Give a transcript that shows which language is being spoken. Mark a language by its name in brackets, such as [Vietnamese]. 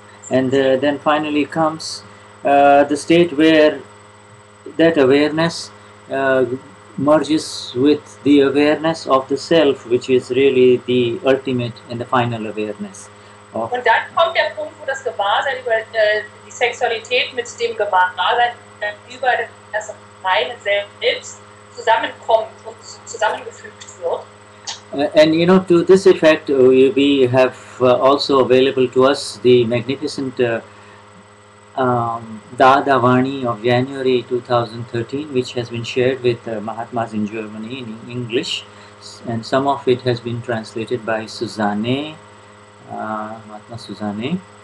[English] And then finally comes the state where that awareness merges with the awareness of the self, which is really the ultimate and the final awareness. [German] Und dann kommt der Punkt, wo das Gewahrsein über die Sexualität mit dem Gewahrsein über das reine Selbst zusammenkommt und zusammengefügt wird. [English] And you know, to this effect, we have also available to us the magnificent Dadavani of January 2013, which has been shared with Mahatmas in Germany in English, and some of it has been translated by Susanne, Mahatma Susanne.